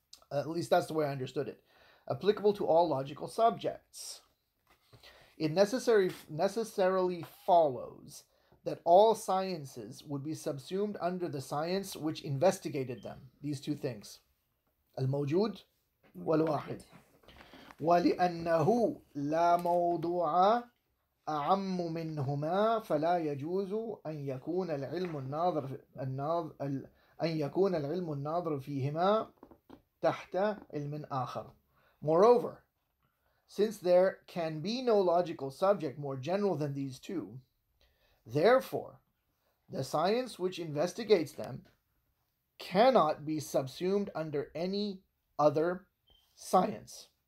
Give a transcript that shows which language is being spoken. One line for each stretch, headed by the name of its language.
English: At least that's the way I understood it. Applicable to all logical subjects. It necessarily follows that all sciences would be subsumed under the science which investigated them. These two things. Al-mawjud wal-wahid.
Arabic: وَلِأَنَّهُ لَا مَوْضُوعَ أعم منهما فلا يجوز أن يكون العلم الناظر أن يكون العلم الناظر فيهما تحت علم آخر.
English: Moreover, since there can be no logical subject more general than these two, therefore, the science which investigates them cannot be subsumed under any other science.